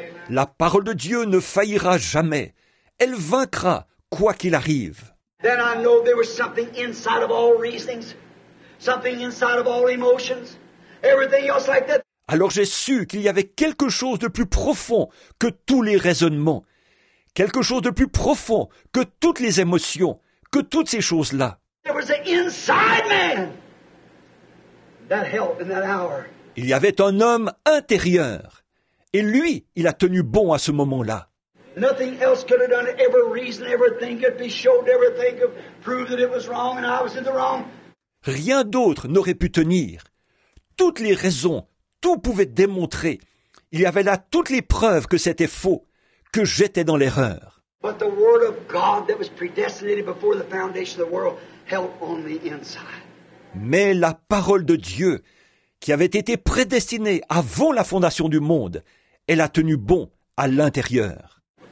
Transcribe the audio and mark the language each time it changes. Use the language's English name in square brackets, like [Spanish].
[French] La parole de Dieu ne faillira jamais. Elle vaincra quoi qu'il arrive. [English] Then I know there was something inside of all reasonings, something inside of all emotions, everything else like that. [French] Alors j'ai su qu'il y avait quelque chose de plus profond que tous les raisonnements, quelque chose de plus profond que toutes les émotions, que toutes ces choses-là. [English] There was an inside man that held in that hour. [French] Il y avait un homme intérieur, et lui, il a tenu bon à ce moment-là. [English] Nothing else could have done it. Every reason, everything could be showed, everything could prove that it was wrong and I was in the wrong. [French] Rien d'autre n'aurait pu tenir. Toutes les raisons, tout pouvait démontrer. Il y avait là toutes les preuves que c'était faux, que j'étais dans l'erreur. [English] But the word of God that was predestinated before the foundation of the world held on the inside. [French] Mais la parole de Dieu, qui avait été prédestinée avant la fondation du monde, elle a tenu bon à l'intérieur.